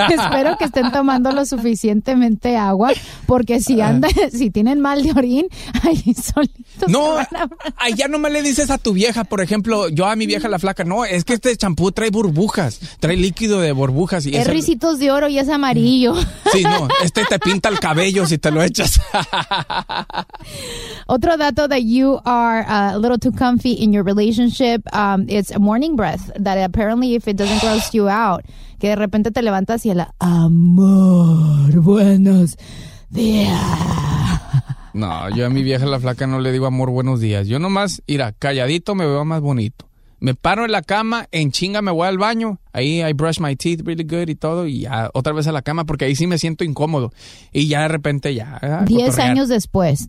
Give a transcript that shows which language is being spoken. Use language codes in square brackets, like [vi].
[es] Espero que estén tomando lo suficientemente agua, porque si andan, si tienen mal de orín, ahí solitos. No, ahí ya nomás le dices a tu vieja, por ejemplo, yo a mi vieja la flaca, no, es que este champú trae burbujas, trae líquido de burbujas. Es ricitos de oro y es amarillo. Sí, no, este te pinta el cabello si te lo echas. Otro dato [en] that you are a little too comfy in your relationship, it's a morning breath that apparently if it doesn't gross you out, [es] que de repente te levantas y el amor, buenos días. No, yo a mi vieja la flaca no le digo amor, buenos días. Yo nomás, mira, calladito me veo más bonito. Me paro en la cama, en chinga me voy al baño, ahí [en] I brush my teeth really good [es] y todo, y ya otra vez a la cama, porque ahí sí me siento incómodo. Y ya de repente ya... 10 años después.